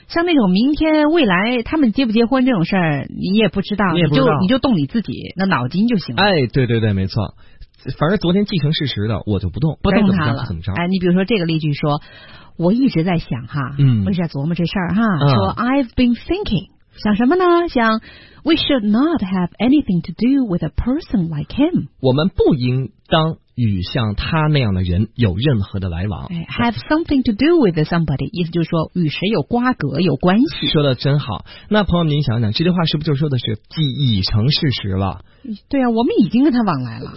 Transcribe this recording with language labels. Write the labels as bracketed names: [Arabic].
[Chinese] 像那种明天未来他们结不结婚这种事儿，你也不知道，你就动你自己那脑筋就行了。哎，对对对，没错。反而昨天既成事实的，我就不动，不动它了，怎么着？哎，你比如说这个例句说，我一直在想哈，嗯，我一直在琢磨这事儿哈，嗯、说 [English] I've been thinking， [Chinese] 想什么呢？想 [English] We should not have anything to do with a person like him。 [Chinese] 我们不应当与像他那样的人有任何的来往。哎、 [English] have something to do with somebody， [Chinese] 意思就是说与谁有瓜葛有关系。说的真好，那朋友您想想，这句话是不是就说的是既已成事实了？对啊，我们已经跟他往来了，